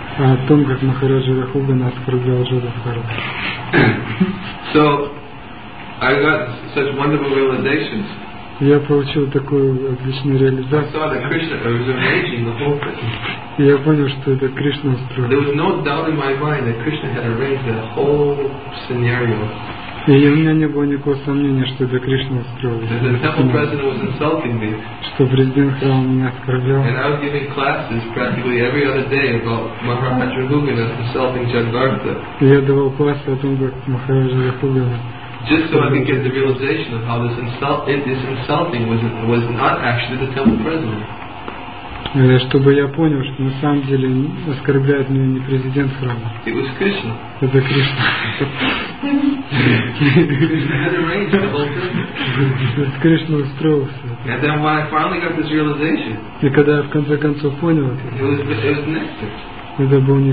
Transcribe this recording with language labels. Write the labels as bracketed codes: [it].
[ru] О том, как Махараджа Рахугана оскорблял Джада Бхарата. [en] So, I got such wonderful realizations. [ru] Я получил такую отличную реализацию. [en] I saw that Krishna was arranging the whole thing. [ru] И я понял, что это Кришна устроил. [en] There was no doubt in my mind that Krishna had arranged the whole scenario. [ru] И у меня не было никакого сомнения, что это Кришна устроил. Что президент храма меня оскорблял. [en] And I was giving classes practically every other day about Maharaj Rahugana insulting Jagvartha. [ru] И я давал классы о том, как Махараджа Рахугана [en] just so I can get the realization of how this insulting was not actually the temple president. [ru] Чтобы я понял, что на самом деле оскорбляет меня не президент храма. Это Кришна. Кришна устроил все. И когда я в конце концов понял это, это был не